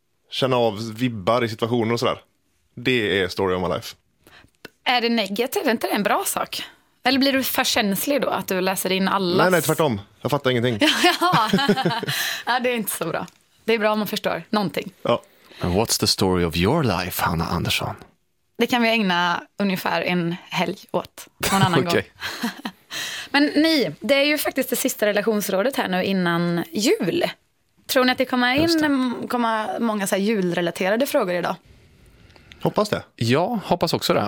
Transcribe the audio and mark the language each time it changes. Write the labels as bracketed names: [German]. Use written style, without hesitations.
[Swedish] Känna av vibbar i situationer och sådär. Det är [English] story of my life. [Swedish] Är det negativt? Är inte det en bra sak? Eller blir du för känslig då, att du läser in allas... Nej, tvärtom. Jag fattar ingenting. Ja, det är inte så bra. Det är bra om man förstår någonting. Ja. [English] What's the story of your life, Hanna Andersson? [Swedish] Det kan vi ägna ungefär en helg åt, någon annan gång. Men ni, det är ju faktiskt det sista relationsrådet här nu innan jul. Tror ni att det kommer in många så här julrelaterade frågor idag? Hoppas det. Ja, hoppas också det.